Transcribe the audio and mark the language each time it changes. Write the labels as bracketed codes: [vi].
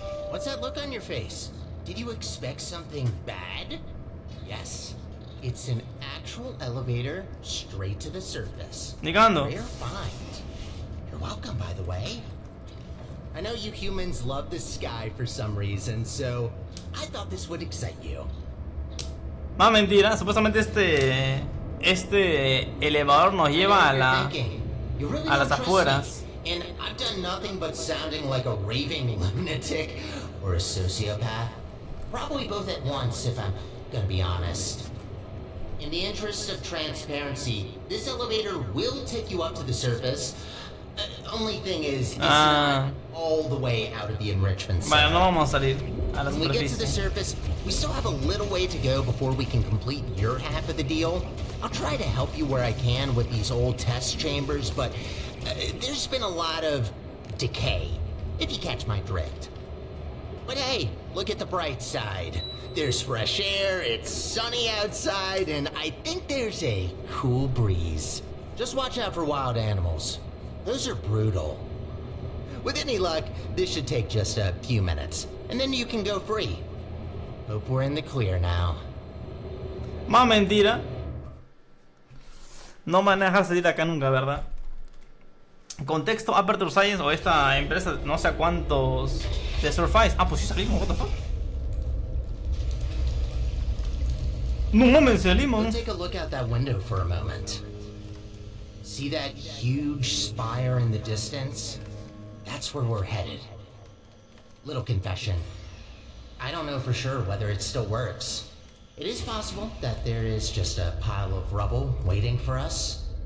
[en] What's that look on your face? Did you expect something bad? Yes. It's an actual elevator straight to the surface. [es] Negando. [en] Rare find. You're welcome, by the way. I know you humans love the sky for some reason, so I thought this would excite you. [es] Más mentira, supuestamente este elevador nos lleva a las afueras. [en] And I've done nothing but sounding like a raving lunatic or a sociopath. Probably both at once, if I'm gonna be honest. In the interest of transparency, this elevator will take you up to the surface. Only thing is, it's not all the way out of the enrichment [es] zone. Vale, no vamos a salir a la superficie. [en] When we get to the surface, we still have a little way to go before we can complete your half of the deal. I'll try to help you where I can with these old test chambers, but there's been a lot of decay, if you catch my drift. But hey, look at the bright side. There's fresh air, it's sunny outside, and I think there's a cool breeze. Just watch out for wild animals. Those are brutal. With any luck, this should take just a few minutes, and then you can go free. Hope we're in the clear now. [es] Más mentira. No me van a dejar salir acá nunca, ¿verdad? Contexto, Aperture Science o esta empresa, no sé cuántos de Surface. Ah, pues sí salimos, [en] what the fuck. [es] No mames, salimos. [en] We'll take a look out that window for a moment. See that huge spire in the distance? That's where we're headed. Little confession. I don't know for sure whether it still works. It is possible that there is just a pile of rubble waiting for us.